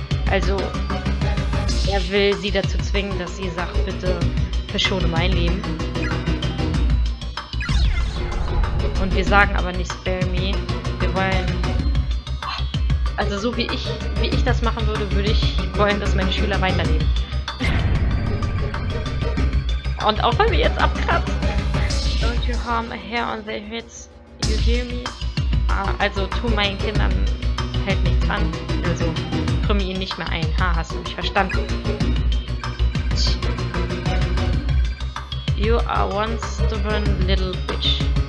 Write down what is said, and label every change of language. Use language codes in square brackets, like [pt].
[de] Also, er will sie dazu zwingen, dass sie sagt, bitte verschone mein Leben. Und wir sagen aber nicht [en] spare me. [de] Wir wollen. Also so wie ich das machen würde, würde ich wollen, dass meine Schüler weiterleben. Und auch wenn wir jetzt abkratzen. [en] Don't you harm a hair on their heads. You hear me? [de] Ah, also tu meinen Kindern halt nichts an. Also. Ich krümme ihn nicht mehr ein. Ha, hast du mich verstanden? [en] You are one stubborn little bitch.